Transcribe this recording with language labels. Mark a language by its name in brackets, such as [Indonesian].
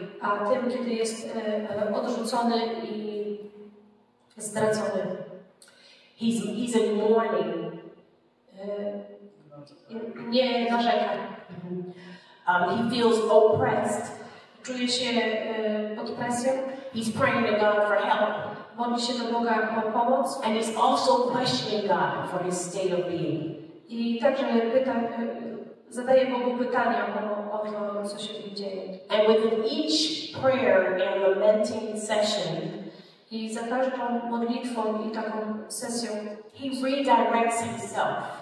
[Polish] A tym, kiedy jest odrzucony i zdradzony. [English] He's in mourning. [Polish] Nie narzeka. [English] He feels oppressed. [Polish] Czuje się pod presją. [English] He's praying to God for help. [Polish] Modli się do Boga o pomoc. [English] And he's also questioning God for his state of being. [Polish] I także zadaje Bogu pytania o to, co się dzieje. [English] And with each prayer and lamenting session, [Polish] i za każdą modlitwą i taką sesją [English] he redirects himself.